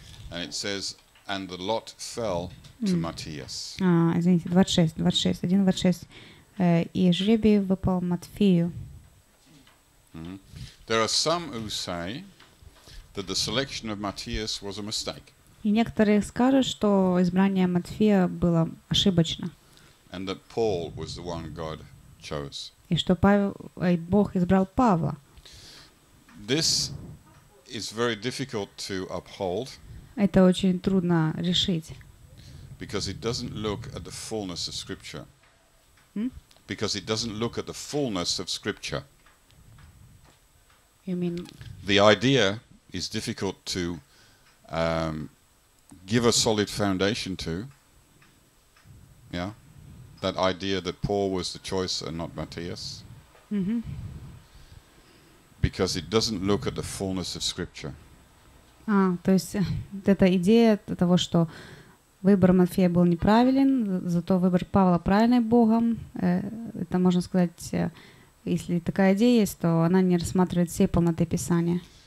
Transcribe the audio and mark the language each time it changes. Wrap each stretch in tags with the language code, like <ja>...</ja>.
<en>And it says, and the lot fell to Matthias.</en> <ru>Извините, 26, 1:26. И жребий выпал Матфею.</ru> <en>There are some who say that the selection of Matthias was a mistake.</en> <ru>И некоторые скажут, что избрание Матфея было ошибочно.</ru> <en>And that Paul was the one God chose.</en> <ru>И что Бог избрал Павла.</ru> <en>This is very difficult to uphold.</en> <ru>Это очень трудно решить.</ru> <en>Because it doesn't look at the fullness of Scripture. Because it doesn't look at the fullness of Scripture. You mean? The idea is difficult to give a solid foundation to. Yeah? That idea that Paul was the choice and not Matthias. Because it doesn't look at the fullness of Scripture.</en> <ru>То есть эта идея того, что выбор Матфея был неправилен, зато выбор Павла правильный Богом. Это можно сказать, если такая идея есть, то она не рассматривает всей полноты Писания.</ru>